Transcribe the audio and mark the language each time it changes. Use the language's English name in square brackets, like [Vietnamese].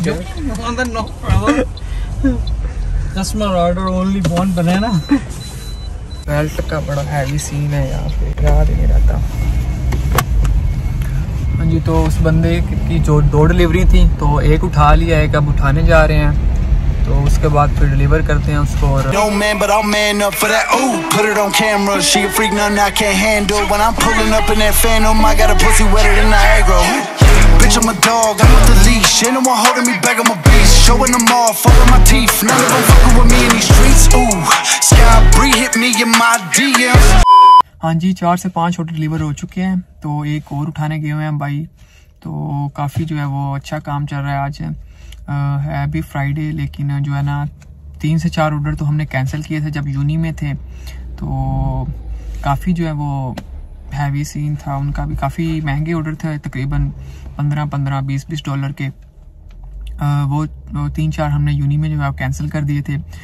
[English] गया customer order only one बनाना [Hindi] belt का बड़ा हैवी सीन है यहाँ पे याद नहीं रहता। हाँ जी तो उस बंदे की जो दो डिलीवरी थी तो एक उठा लिया है, अब उठाने जा रहे हैं तो उसके बाद फिर डिलीवर करते हैं उसको। [English] और bitch I'm a dog, I'm on the leash, ain't no one holding me back, I'm a beast, showing them off, all of my teeth, none of them fucking with me in these streets, ooh, sky breathe, hit me in my DMs. [Hindi] हाँ जी 4 से 5 order deliver हो चुके हैं तो एक और उठाने गए हुए हैं भाई, तो काफ़ी जो है वो अच्छा काम चल रहा है आज है अभी फ्राइडे, लेकिन जो है ना 3 से 4 ऑर्डर तो हमने कैंसिल किए थे जब यूनी में थे, तो काफ़ी जो है वो हैवी सीन था उनका भी, काफ़ी महंगे ऑर्डर थे तकरीबन 15-20 डॉलर के, वो 3-4 हमने यूनी में जो है कैंसिल कर दिए थे।